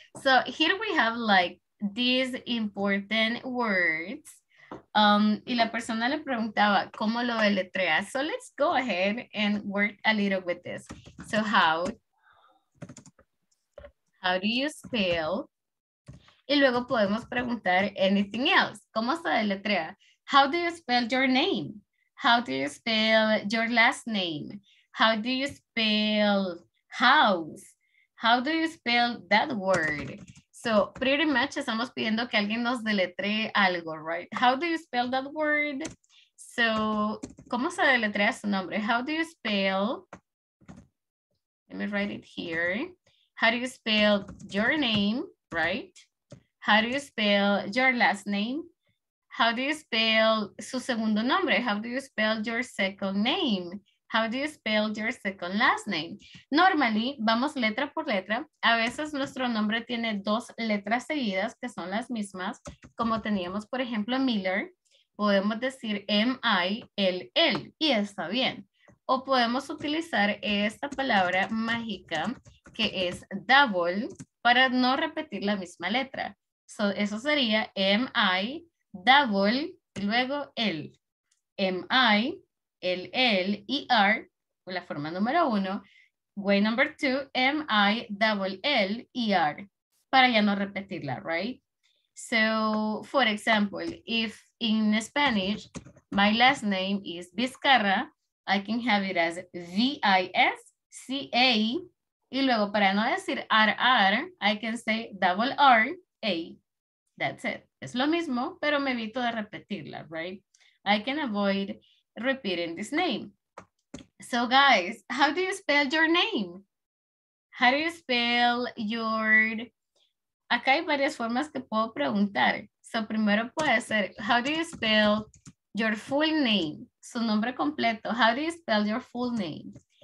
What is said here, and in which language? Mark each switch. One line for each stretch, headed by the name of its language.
English: So here we have like these important words.
Spanish: Y la persona le preguntaba, ¿cómo lo deletrea?
English: So let's go ahead and work a little with this. So how do you spell?
Spanish: Y luego podemos preguntar
English: anything else.
Spanish: ¿Cómo se deletrea?
English: How do you spell your name? How do you spell your last name? How do you spell house? How do you spell that word? So pretty much
Spanish: estamos pidiendo que alguien nos deletree algo, right?
English: How do you spell that word? So,
Spanish: ¿cómo se deletrea su nombre?
English: How do you spell, let me write it here. How do you spell your name, right? How do you spell your last name? How do you spell
Spanish: su segundo nombre?
English: How do you spell your second name? How do you spell your second last name? Normally,
Spanish: vamos letra por letra. A veces nuestro nombre tiene dos letras seguidas que son las mismas. Como teníamos, por ejemplo, Miller. Podemos decir M-I-L-L y está bien. O podemos utilizar esta palabra mágica que es double para no repetir la misma letra. So, eso sería M-I-double y luego L. M-I L L E R, la forma número uno.
English: Way number two, M I double L E R,
Spanish: para ya no repetirla,
English: right? So, for example, if in Spanish my last name is Vizcarra, I can have it as V I S C A,
Spanish: y luego para no decir
English: R R, I can say double R A. That's it.
Spanish: Es lo mismo, pero me evito de repetirla, right?
English: I can avoid repeating this name. So guys, how do you spell your name? How do you spell your...
Spanish: Acá hay varias formas que puedo preguntar. So primero puede ser,
English: how do you spell your full name,
Spanish: su nombre completo.
English: How do you spell your full name?